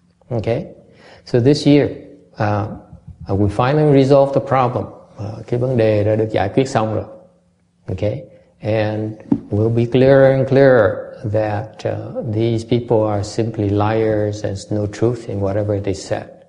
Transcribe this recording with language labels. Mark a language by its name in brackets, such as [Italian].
[English] Okay, so this year we finally resolved the problem. [Vietnamese] Cái vấn đề đã được giải quyết xong rồi. [English] Okay, and we'll be clearer and clearer that these people are simply liars, there's no truth in whatever they said.